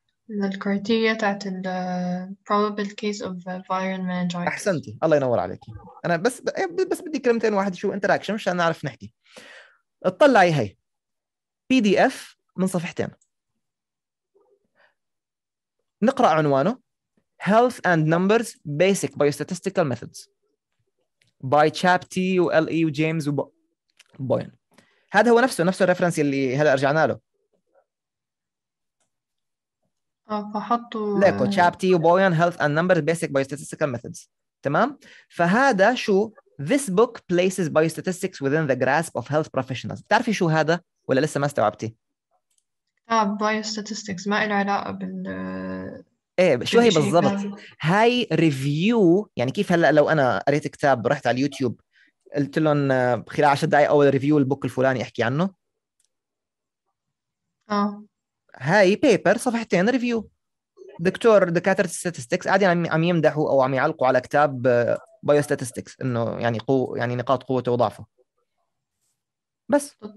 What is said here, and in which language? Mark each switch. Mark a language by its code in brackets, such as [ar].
[ar] الكريتيريا تاعت ال probable case of viral meningitis. أحسنتي الله ينور عليك. أنا بس بدي كلمتين واحد شو interaction مشان نعرف نحكي. اطلعي هاي PDF من صفحتين نقرأ عنوانه health and numbers basic biostatistical methods by Chapti ولي وجيمس وبوين. هذا هو نفسه الرفرنس اللي هلا رجعنا له. فحطوا ليكو Chapti وبوين health and numbers basic biostatistical methods تمام. فهذا شو [en] This book places biostatistics within the grasp of health professionals. [ar] بتعرفي شو هذا ولا لسه ما استوعبتي؟ كتاب biostatistics ما إله علاقة بال ايه شو هي بالضبط؟ هاي ريفيو يعني كيف هلا لو انا قريت كتاب رحت على اليوتيوب قلت لهم خلال 10 دقائق اول ريفيو البوك الفلاني احكي عنه؟ هاي بيبر صفحتين ريفيو دكتور دكاتره الستاتستكس قاعدين عم يمدحوا او عم يعلقوا على كتاب بايوستاتستكس انه يعني يعني نقاط قوته وضعفه بس